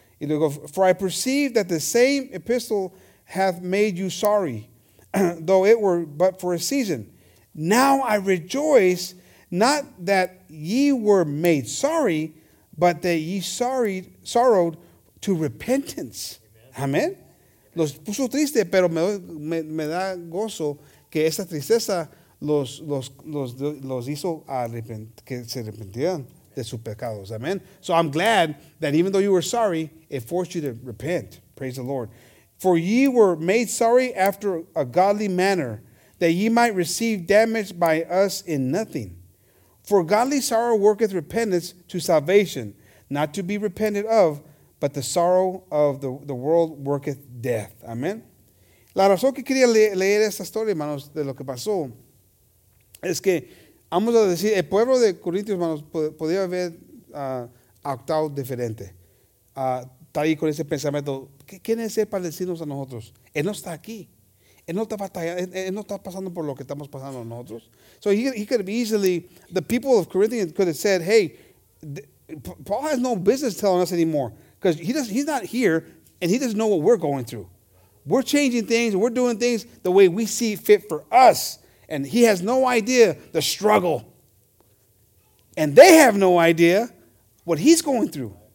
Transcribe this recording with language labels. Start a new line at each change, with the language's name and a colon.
Spanish: Y luego,
English: for I perceive that the same epistle hath made you sorry, though it were but for a season. Now I rejoice not that ye were made sorry, but that ye sorrowed to repentance. Amen.
Spanish: Los puso triste, pero me da gozo que esta tristeza los hizo que se arrepentieran de sus pecados. Amen.
English: So I'm glad that even though you were sorry, it forced you to repent. Praise the Lord. For ye were made sorry after a godly manner, that ye might receive damage by us in nothing. For godly sorrow worketh repentance to salvation, not to be repented of, but the sorrow of the world worketh death. Amen.
Spanish: La razón que quería leer esta historia, hermanos, de lo que pasó. Es que, vamos a decir, el pueblo de Corintios, hermanos, podía haber actuado diferente. Está ahí con ese pensamiento, ¿quién es él para decirnos a nosotros? Él no está aquí. Él no está batallando, él no está pasando por lo que estamos pasando nosotros.
English: So he could have easily, the people of Corinthians could have said, hey, Paul has no business telling us anymore. Because he's not here, and he doesn't know what we're going through. We're changing things, we're doing things the way we see fit for us. And he has no idea the struggle. And they have no idea what he's going through.